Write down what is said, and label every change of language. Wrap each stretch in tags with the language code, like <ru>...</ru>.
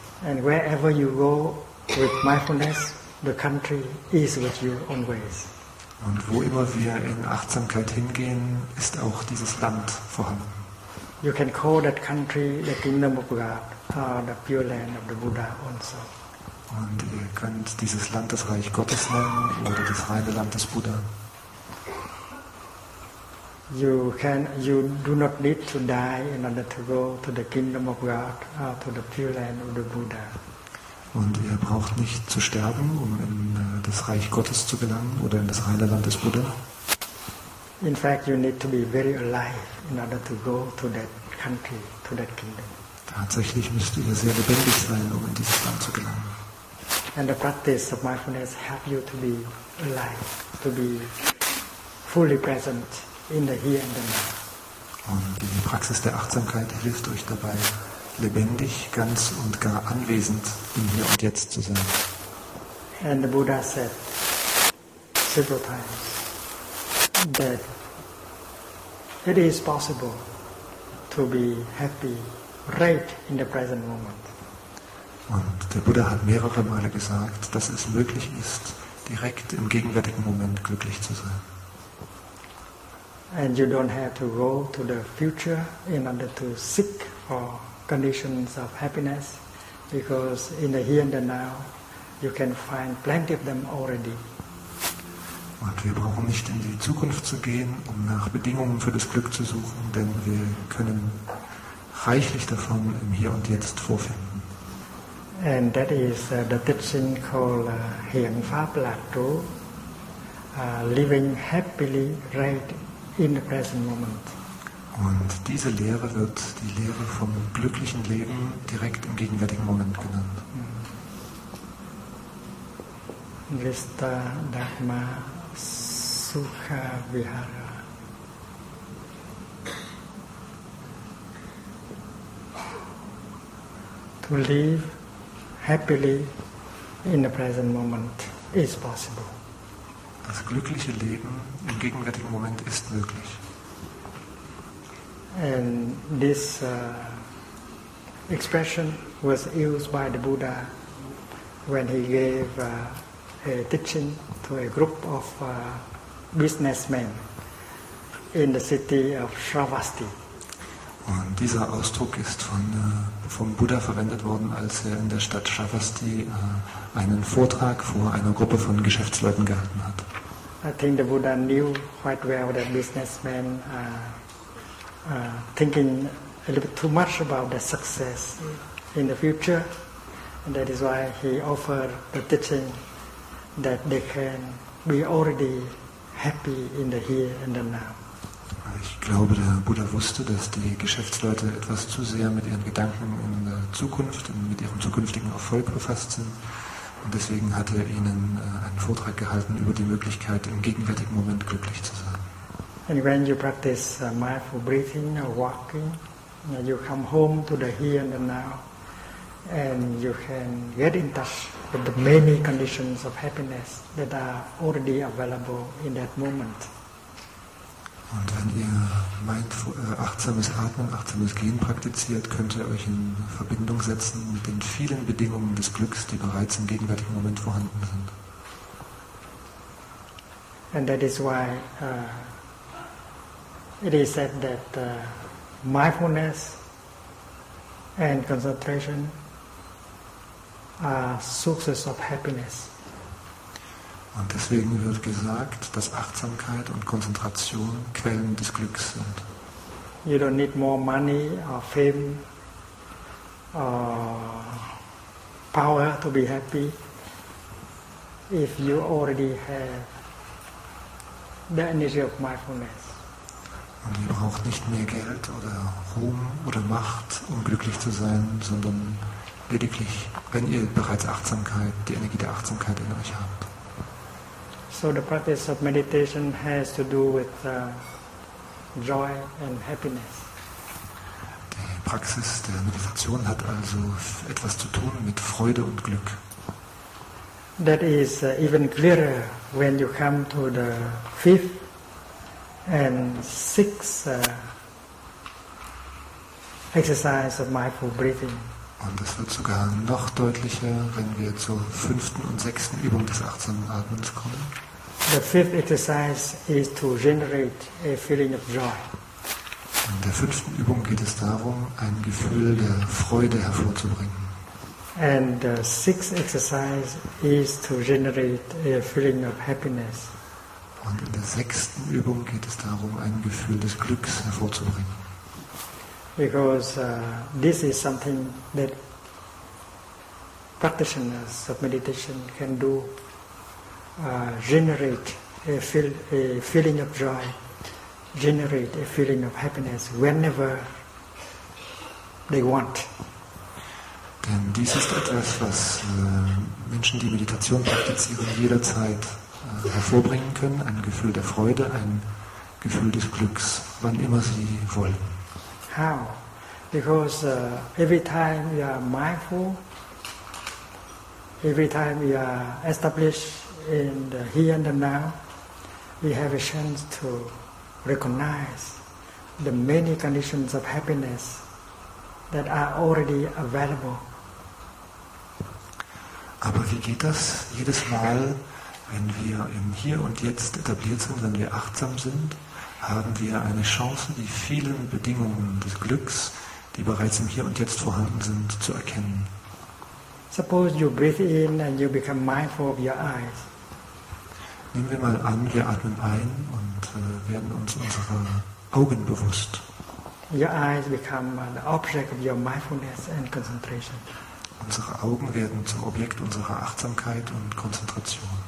<en>And wherever you go with mindfulness, the country is with you always.</en> <de>Und wo immer wir in Achtsamkeit hingehen, ist auch dieses Land vorhanden.</de> <en>You can call that country the kingdom of God, or the pure land of the Buddha also.</en> <de>Und ihr könnt dieses Land das Reich Gottes nennen oder das reine Land des Buddha.</de> <en>You do not need to die in order to go to the kingdom of God or to the pure land of the Buddha.</en> <de>Und ihr braucht nicht zu sterben, um in das Reich Gottes zu gelangen oder in das reine Land des Buddha.</de> <en>In fact, you need to be very alive in order to go to that country, to that kingdom.</en> <de>Tatsächlich müsst ihr sehr lebendig sein, um in dieses Land zu gelangen.</de> <en>And the practice of mindfulness helps you to be alive, to be fully present in the here and the now.</en> <de>Und die Praxis der Achtsamkeit hilft euch dabei, lebendig, ganz und gar anwesend im Hier und Jetzt zu sein.</de> <en>And the Buddha said several times that it is possible to be happy right in the present moment.</en> <de>Und der Buddha hat mehrere Male gesagt, dass es möglich ist, direkt im gegenwärtigen Moment glücklich zu sein.</de> <en>And you don't have to go to the future in order to seek for conditions of happiness, because in the here and the now, you can find plenty of them already.</en> <de>Und wir brauchen nicht in die Zukunft zu gehen, um nach Bedingungen für das Glück zu suchen, denn wir können reichlich davon im Hier und Jetzt vorfinden.</de> <en>And that is the teaching called Hiện Pháp Lạc Trú, living happily right in the present moment.</en> <de>Und diese Lehre wird die Lehre vom glücklichen Leben direkt im gegenwärtigen Moment genannt.</de> <sa>Vista Dharma Sukha Vihara.</sa> <en>To live happily in the present moment is possible.</en> <de>Das glückliche Leben im gegenwärtigen Moment ist möglich.</de> <en>And this expression was used by the Buddha when he gave a teaching to a group of businessmen in the city of Shravasti.</en> <de>Und dieser Ausdruck ist vom Buddha verwendet worden, als er in der Stadt Shravasti einen Vortrag vor einer Gruppe von Geschäftsleuten gehalten hat.</de> <en>I think the Buddha knew quite well that businessmen are thinking a little bit too much about the success in the future, and that is why he offered the teaching that they can be already happy in the here and the now.</en> <de>Ich glaube, der Buddha wusste, dass die Geschäftsleute etwas zu sehr mit ihren Gedanken in der Zukunft und mit ihrem zukünftigen Erfolg befasst sind. Und deswegen hat er ihnen einen Vortrag gehalten über die Möglichkeit, im gegenwärtigen Moment glücklich zu sein.</de> <en>And when you practice mindful breathing or walking, you come home to the here and the now, and you can get in touch with the many conditions of happiness that are already available in that moment.</en> <de>Und wenn ihr achtsames Atmen, achtsames Gehen praktiziert, könnt ihr euch in Verbindung setzen mit den vielen Bedingungen des Glücks, die bereits im gegenwärtigen Moment vorhanden sind.</de> <en>And that is why it is said that mindfulness and concentration are sources of happiness.</en> <de>Und deswegen wird gesagt, dass Achtsamkeit und Konzentration Quellen des Glücks sind.</de> <en>You don't need more money or fame or power to be happy if you already have the energy of mindfulness.</en> <de>Und ihr braucht nicht mehr Geld oder Ruhm oder Macht, um glücklich zu sein, sondern lediglich, wenn ihr bereits Achtsamkeit, die Energie der Achtsamkeit in euch habt.</de> <en>So the practice of meditation has to do with joy and happiness.</en> <de>Die Praxis der Meditation hat also etwas zu tun mit Freude und Glück.</de> <en>That is even clearer when you come to the fifth and sixth exercise of mindful breathing.</en> <de>Und es wird sogar noch deutlicher, wenn wir zur fünften und sechsten Übung des achtsamen Atmens kommen.</de> <en>The fifth exercise is to generate a feeling of joy.</en> <de>In der fünften Übung geht es darum, ein Gefühl der Freude hervorzubringen.</de> <en>And the sixth exercise is to generate a feeling of happiness.</en> <de>Und in der sechsten Übung geht es darum, ein Gefühl des Glücks hervorzubringen.</de> <en>Because this is something that practitioners of meditation can do. Generate a feeling of joy, generate a feeling of happiness whenever they want.</en> <de>Denn dies ist etwas, was Menschen, die Meditation praktizieren, jederzeit hervorbringen können, ein Gefühl der Freude, ein Gefühl des Glücks, wann immer sie wollen.</de> <en>How? Because every time you are mindful, every time you are established in the here and the now, we have a chance to recognize the many conditions of happiness that are already available.</en> <de>Aber wie geht das? Jedes Mal, wenn wir im Hier und Jetzt etabliert sind, wenn wir achtsam sind, haben wir eine Chance, die vielen Bedingungen des Glücks, die bereits im Hier und Jetzt vorhanden sind, zu erkennen.</de> <en>Suppose you breathe in and you become mindful of your eyes.</en> <de>Nehmen wir mal an, wir atmen ein und werden uns unserer Augen bewusst.</de> <en>Your eyes become the object of your mindfulness and concentration.</en> <de>Unsere Augen werden zum Objekt unserer Achtsamkeit und Konzentration.</de>